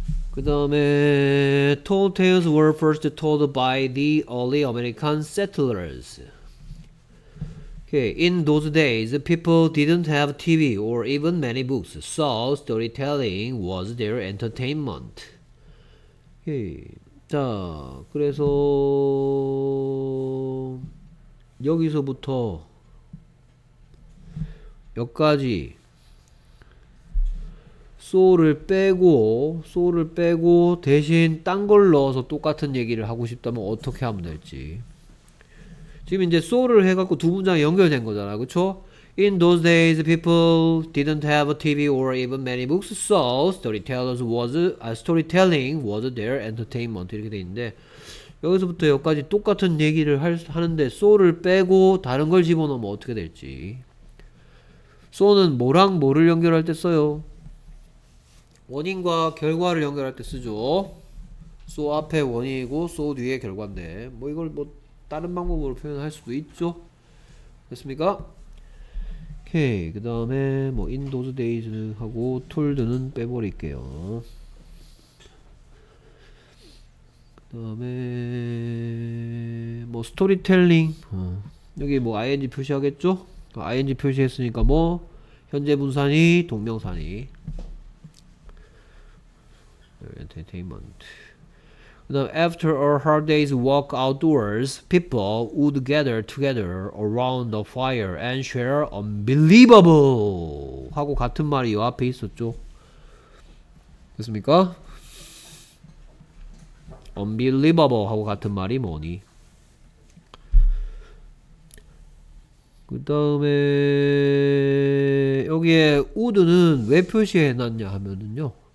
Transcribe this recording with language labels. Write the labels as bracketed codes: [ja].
[ko] 그 다음에 [en] Tall Tales were first told by the early American settlers. Okay. In those days, people didn't have TV or even many books, so storytelling was their entertainment. Okay. [ko] 자, 그래서 여기서부터 여기까지 소를 빼고 대신 딴 걸 넣어서 똑같은 얘기를 하고 싶다면 어떻게 하면 될지. 지금 이제 소를 해갖고 두 문장이 연결된 거잖아, 그쵸? [en] In those days, people didn't have a TV or even many books, so storytelling was their entertainment. [ko] 이렇게 돼 있는데 여기서부터 여기까지 똑같은 얘기를 하는데 소를 빼고 다른 걸 집어넣으면 어떻게 될지. 소는 뭐랑 뭐를 연결할 때 써요? 원인과 결과를 연결할 때 쓰죠. 소 앞에 원인이고 소 뒤에 결과인데 뭐 이걸 뭐 다른 방법으로 표현할 수도 있죠. 됐습니까? 오케이. 그 다음에 뭐 in those days 하고 told는 빼버릴게요. 그 다음에 뭐 storytelling 여기 뭐 ing 표시하겠죠? ing 표시했으니까 뭐 현재 분사니 동명사니 entertainment. 그다음 [en] after a hard day's walk outdoors, people would gather together around the fire and share unbelievable. [ko] 하고 같은 말이 요 앞에 있었죠. 됐습니까? unbelievable 하고 같은 말이 뭐니? 그다음에 여기에 would는 왜 표시해 놨냐 하면은요.